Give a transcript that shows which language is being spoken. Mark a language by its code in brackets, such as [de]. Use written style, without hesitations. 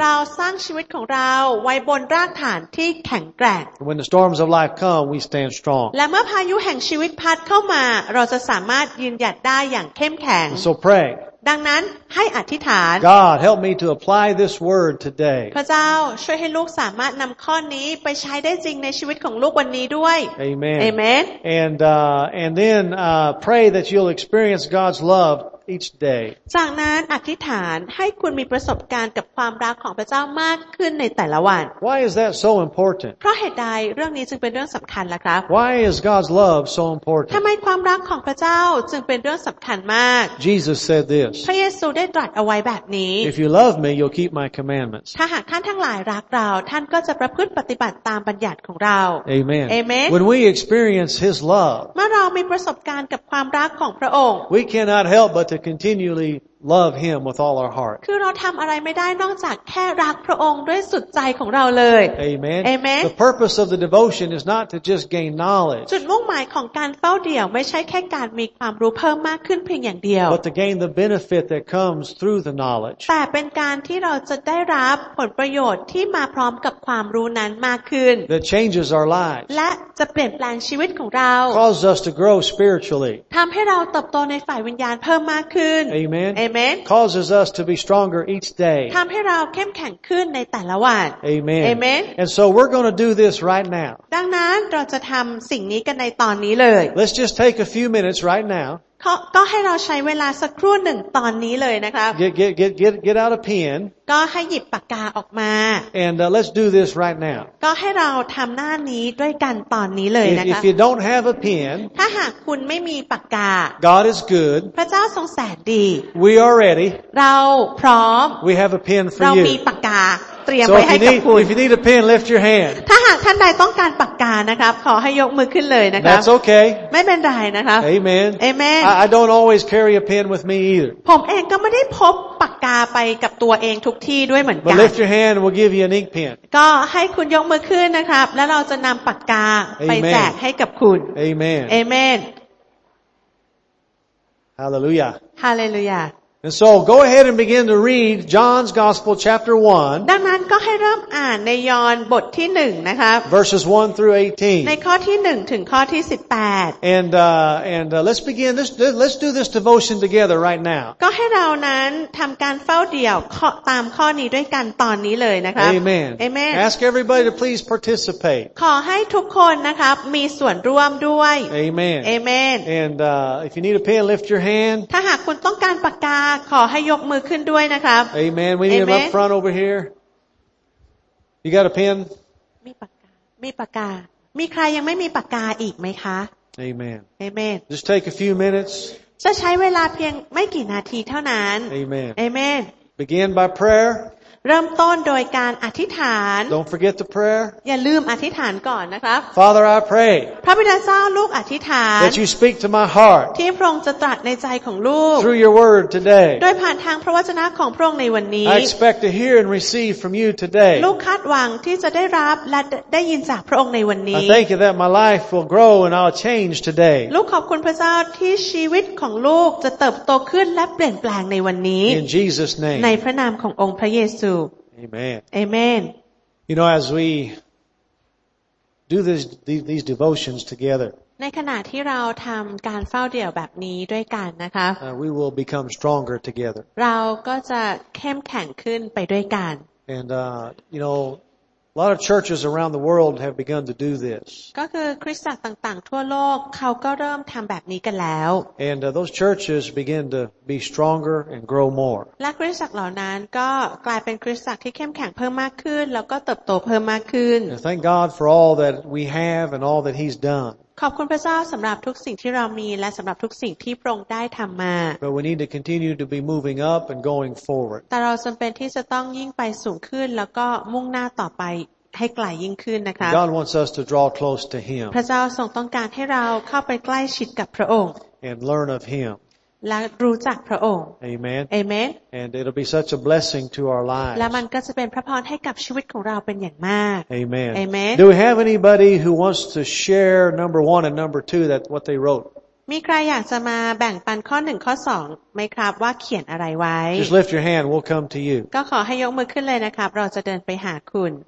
[th] เราสร้างชีวิตของเราไว้บนรากฐานที่แข็งแกร่ง [en] When the storms of life come we stand strong [th] และเมื่อพายุแห่งชีวิตพัดเข้ามาเราจะสามารถยืนหยัดได้อย่างเข้มแข็ง [en] So pray. [th] ดังนั้นให้อธิษฐาน [en] God help me to apply this word today. [th] พระเจ้าช่วยให้ลูกสามารถนำข้อนี้ไปใช้ได้จริงในชีวิตของลูกวันนี้ด้วย [en] Amen. Amen. And then pray that you'll experience God's love each day. [th] จากนั้นอธิษฐานให้คุณมีประสบการณ์กับความรักของพระเจ้ามากขึ้นในแต่ละวัน [en] Why is that so important? [th] เพราะเหตุใดเรื่องนี้จึงเป็นเรื่องสำคัญล่ะครับ [en] Why is God's love so important? [th] ทำไมความรักของพระเจ้าจึงเป็นเรื่องสำคัญมาก [en] Jesus said this. [th] พระเยซูได้ตรัสเอาไว้แบบนี้ [en] If you love me, you'll keep my commandments. [th] ถ้าหากท่านทั้งหลายรักเราท่านก็จะประพฤติปฏิบัติตามบัญญัติของเรา [en] Amen. Amen. When we experience His love, [th] เมื่อเรามีประสบการณ์กับความรักของพระองค์ [en] We cannot help butTo continually love Him with all our heart. [th] คือเราทำอะไรไม่ได้นอกจากแค่รักพระองค์ด้วยสุดใจของเราเลย [en] Amen. Amen. The purpose of the devotion is not to just gain knowledge. [th] จุดมุ่งหมายของการเฝ้าเดี่ยวไม่ใช่แค่การมีความรู้เพิ่มมากขึ้นเพียงอย่างเดียว [en] But to gain the benefit that comes through the knowledge. [th] แต่เป็นการที่เราจะได้รับผลประโยชน์ที่มาพร้อมกับความรู้นั้นมากขึ้น [en] That changes our lives. [th] และจะเปลี่ยนแปลงชีวิตของเรา [en] Causes us to grow spiritually. [th] ทำให้เราเติบโตในฝ่ายวิญญาณเพิ่มมากขึ้น [en] Amen. Amen. Causes us to be stronger each day. [th] ทำให้เราเข้มแข็งขึ้นในแต่ละวัน [en] Amen. Amen. And so we're going to do this right now. [th] ดังนั้นเราจะทำสิ่งนี้กันในตอนนี้เลย [en] Let's just take a few minutes right now. [th] ก็ให้เราใช้เวลาสักครู่หนึ่งตอนนี้เลยนะครับ [en] Get out a pen. [th] ก็ให้หยิบปากกาออกมา [en] And let's do this right now. [th] ก็ให้เราทำหน้านี้ด้วยกันตอนนี้เลยนะครับ [en] If you don't have a pen. [th] ถ้าหากคุณไม่มีปากกา [en] God is good. [th] พระเจ้าทรงแสนดี [en] We are ready. [th] เราพร้อม [en] We have a pen for you. [th] เรามีปากกาเตรียมไว้ให้กับคุณ [en] If you need a pen, lift your hand. [th] ถ้าหากท่านใดต้องการปากกานะครับขอให้ยกมือขึ้นเลยนะครับ [en] That's okay. [th] ไม่เป็นไรนะครับ [en] Amen. Amen. I don't always carry a pen with me either. [th] ผมเองก็ไม่ได้พกปากกาไปกับตัวเองทุกที่ด้วยเหมือนกัน [en] But lift your hand, we'll give you an ink pen. [th] ก็ให้คุณยกมือขึ้นนะครับแล้วเราจะนำปากกาไปแจกให้กับคุณ [en] Amen. Amen. Hallelujah. Hallelujah. And so go ahead and begin to read John's Gospel chapter 1. [th] ดังนั้นก็ให้เริ่มอ่านในยอห์นบทที่1นะคะ [en] Verses 1 through 18. [th] ในข้อที่1ถึงข้อที่18. [en] And let's begin this, let's do this devotion together right now. [th] ก็ให้เรานั้นทําการเฝ้าเดี่ยวตามข้อนี้ด้วยกันตอนนี้เลยนะคะ [en] Amen. Amen. Ask everybody to please participate. [th] ขอให้ทุกคนนะครับมีส่วนร่วมด้วย [en] Amen. Amen. And if you need a pen, lift your hand. [th] ถ้าหากคุณต้องการปากกาขอให้ยกมือขึ้นด้วยนะครับ [en] Amen. We need up front over here. You got a pen? [th] มีปากกามีปากกามีใครยังไม่มีปากกาอีกไหมคะ [en] Amen. Amen. Just take a few minutes. [th] จะใช้เวลาเพียงไม่กี่นาทีเท่านั้น [en] Amen. Amen. Begin by prayer. [th] เริ่มต้นโดยการอธิษฐาน [en] Don't forget the prayer. [th] อย่าลืมอธิษฐานก่อนนะครับ [en] Father, I pray. [th] พระบิดาเจ้าลูกอธิษฐาน [en] That you speak to my heart. [th] ที่พระองค์จะตรัสในใจของลูก [en] Through your word today. [th] โดยผ่านทางพระวจนะของพระองค์ในวันนี้ [en] I expect to hear and receive from you today. [th] ลูกคาดหวังที่จะได้รับและได้ยินจากพระองค์ในวันนี้ [en] I thank you that my life will grow and I'll change today. [th] ลูกขอบคุณพระเจ้าที่ชีวิตของลูกจะเติบโตขึ้นและเปลี่ยนแปลงในวันนี้ [en] In Jesus' name. [th] ในพระนามขององค์พระเยซู [en] Amen. Amen. You know, as we do these devotions together, [th] ในขณะที่เราทำการเฝ้าเดี่ยวแบบนี้ด้วยกันนะคะ [en] we will become stronger together. [th] เราก็จะเข้มแข็งขึ้นไปด้วยกัน [en] And you know, a lot of churches around the world have begun to do this. [th] ก็คือคริสตจักรต่างๆทั่วโลกเขาก็เริ่มทำแบบนี้กันแล้ว [en] And those churches begin to be stronger and grow more. [th] และคริสตจักรเหล่านั้นก็กลายเป็นคริสตจักรที่เข้มแข็งเพิ่มมากขึ้นแล้วก็เติบโตเพิ่มมากขึ้น [en] Thank God for all that we have and all that He's done. [th] ขอบคุณพระเจ้าสำหรับทุกสิ่งที่เรามีและสำหรับทุกสิ่งที่พระองค์ได้ทำมา [en] But we need to continue to be moving up and going forward. [th] แต่เราจำเป็นที่จะต้องยิ่งไปสูงขึ้นแล้วก็มุ่งหน้าต่อไปให้ไกลยิ่งขึ้นนะคะ [en] God wants us to draw close to Him. [th] พระเจ้าทรงต้องการให้เราเข้าไปใกล้ชิดกับพระองค์ [en] And learn of Him. [th] และรู้จักพระองค์ [en] Amen. Amen. And it'll be such a blessing to our lives. [th] และมันก็จะเป็นพระพรให้กับชีวิตของเราเป็นอย่างมาก [en] Amen. Amen. Do we have anybody who wants to share number one and number two that what they wrote? [th] มีใครอยากจะมาแบ่งปันข้อ1ข้อ2ไหมครับว่าเขียนอะไรไว้ [en] Just lift your hand. We'll come to you. [th] ก็ขอให้ยกมือขึ้นเลยนะครับเราจะเดินไปหาคุณ